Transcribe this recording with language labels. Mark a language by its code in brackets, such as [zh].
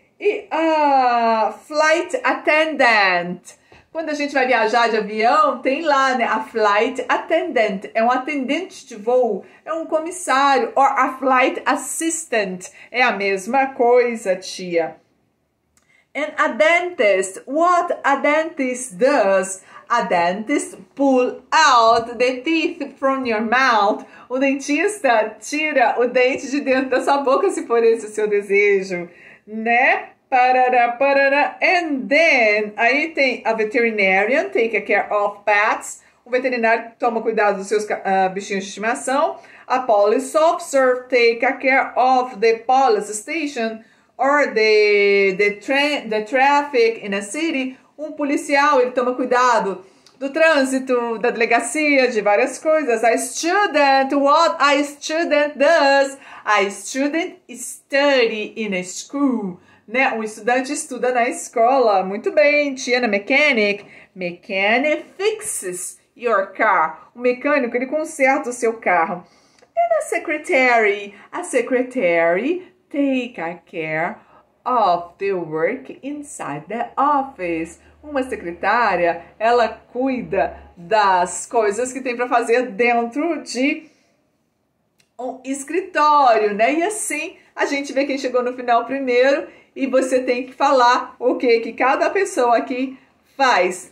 [pt] E a flight attendant, quando a gente vai viajar de avião, tem lá, né? A flight attendant é um atendente de voo, é um comissário. [en] Or a flight assistant [pt] é a mesma coisa, tia. [en] And a dentist, what a dentist does? A dentist pull out the teeth from your mouth. [pt] O dentista tira o dente de dentro da sua boca, se for esse o seu desejo, né? [en] Parará, parará. And then, [pt] aí tem a [en] veterinarian, take care of pets. [pt] O veterinário toma cuidado dos seus bichinhos de estimação. [en] A police officer, take care of the police station. or the traffic in a city. [pt] Um policial, ele toma cuidado do trânsito, da delegacia, de várias coisas. [en] A student, what a student does? A student study in a school. [pt] Né? Um estudante estuda na escola. Muito bem, Tiana. Mechanic. [en] Mechanic fixes your car. [pt] O mecânico, ele conserta o seu carro. [en] And a secretary. A secretary take a care of the work inside the office. [pt] Uma secretária, ela cuida das coisas que tem para fazer dentro de um escritório, né? E assim a gente vê quem chegou no final primeiro e você tem que falar o que que cada pessoa aqui faz.